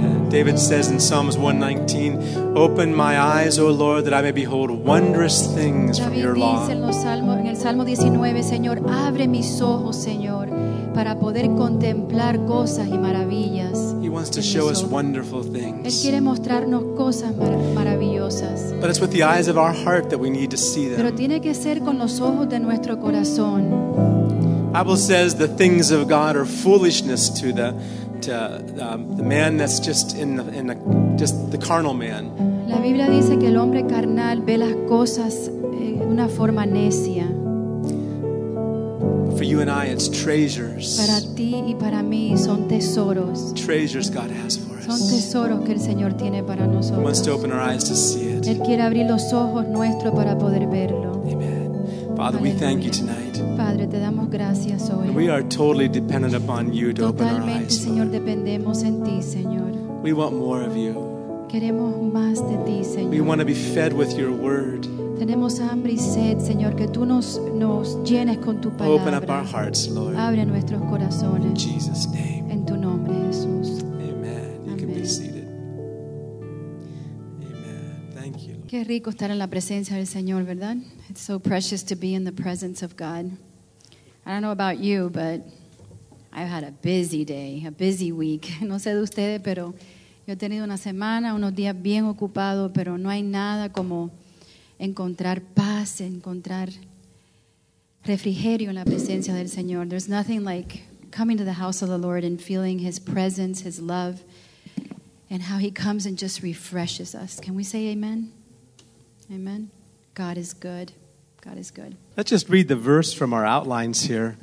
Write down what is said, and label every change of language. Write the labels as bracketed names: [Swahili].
[English] David says in Psalms 119, open my eyes, O Lord, that I may behold wondrous things from your law. [Spanish] David dice en el Salmo 19, Señor, abre mis ojos, Señor, para poder contemplar cosas y maravillas. [English] He wants to show us wonderful things. [Spanish] Él quiere mostrarnos cosas maravillosas. [English] But it's with the eyes of our heart that we need to see them. [Spanish] Pero tiene que ser con los ojos de nuestro corazón. [English] The Bible says the things of God are foolishness to the man that's just in the carnal man. [Spanish] La Biblia dice que el hombre carnal ve las cosas de una forma necia. [English] For you and I, it's treasures. [Spanish] Para ti y para mí son tesoros. [English] Treasures God has for us. [Spanish] Son tesoros que el Señor tiene para nosotros. [English] He wants to open our eyes to see it. [Spanish] Él quiere abrir los ojos nuestros para poder verlo. [English] Amen. Father, [Spanish] Aleluya. [English] We thank you tonight. [Spanish] Padre, te damos gracias hoy. [English] We are totally dependent upon you to [Spanish] Totalmente, [English] open our eyes. [Spanish] Señor, dependemos en ti, Señor. [English] We want more of you. [Spanish] Queremos más de ti, Señor. [English] We want to be fed with your word. [Spanish] Tenemos hambre y sed, Señor, que tú nos llenes con tu palabra. [English] Open up our hearts, Lord. [Spanish] Abre nuestros corazones. [English] In Jesus' name. [Spanish] En tu nombre, Jesús. [English] Amen. You can be seated. Amen. Thank you, Lord. [Spanish] Qué rico estar en la presencia del Señor, ¿verdad? [English] It's so precious to be in the presence of God. I don't know about you, but I've had a busy day, a busy week. [Spanish] No sé de ustedes, pero yo he tenido una semana, unos días bien ocupados, pero no hay nada como encontrar paz, encontrar refrigerio en la presencia del Señor. [English] There's nothing like coming to the house of the Lord and feeling His presence, His love, and how He comes and just refreshes us. Can we say amen? Amen. God is good. God is good. Let's just read the verse from our outlines here.